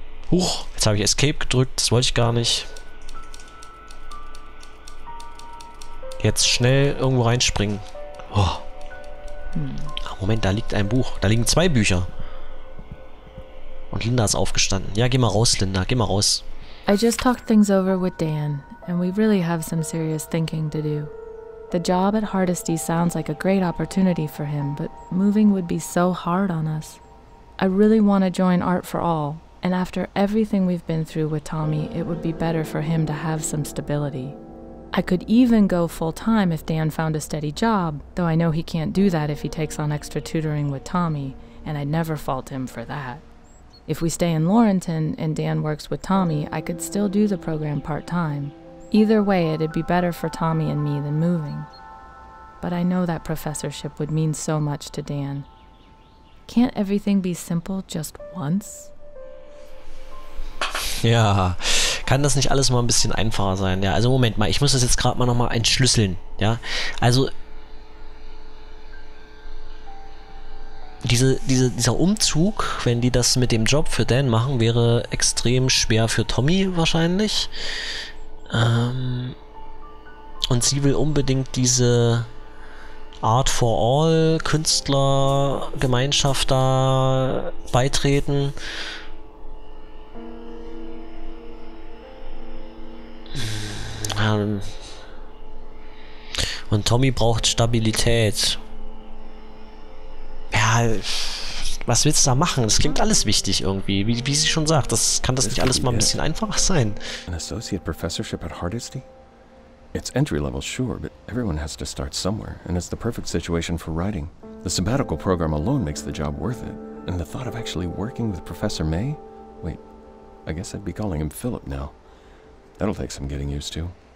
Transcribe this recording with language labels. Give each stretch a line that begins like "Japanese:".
German: Huch, jetzt habe ich Escape gedrückt, das wollte ich gar nicht. Jetzt schnell irgendwo reinspringen. Oh. Hm. Moment, da liegt ein Buch. Da liegen zwei Bücher. Und Linda ist aufgestanden. Ja, geh mal raus, Linda, geh mal raus.
English: I just talked things over with Dan, and we really have some serious thinking to do. The job at Hardesty sounds like a great opportunity for him, but moving would be so hard on us. I really want to join Art for All. And after everything we've been through with Tommy, it would be better for him to have some stability. I could even go full-time if Dan found a steady job, though I know he can't do that if he takes on extra tutoring with Tommy, and I'd never fault him for that. If we stay in Laurentian and Dan works with Tommy, I could still do the program part-time. Either way, it'd be better for Tommy and me than moving. But I know that professorship would mean so much to Dan. Can't everything be simple just once?
German: Ja, kann das nicht alles mal ein bisschen einfacher sein? Ja, also Moment mal, ich muss das jetzt gerade mal nochmal entschlüsseln, ja? Also, dieser Umzug, wenn die das mit dem Job für Dan machen, wäre extrem schwer für Tommy wahrscheinlich. Und sie will unbedingt diese Art for All Künstlergemeinschaft da beitreten. Und Tommy braucht Stabilität. Ja, was willst du da machen? Das klingt alles wichtig irgendwie. Wie sie schon sagt, das kann das nicht alles mal ein bisschen einfacher sein.
English: An associate professorship at Hardesty? It's entry level, sure, but everyone has to start somewhere, and it's the perfect situation for writing. The sabbatical program alone makes the job worth it. And the thought of actually working with Professor May? Wait, I guess I'd be calling him Philip now. That'll take some getting used to.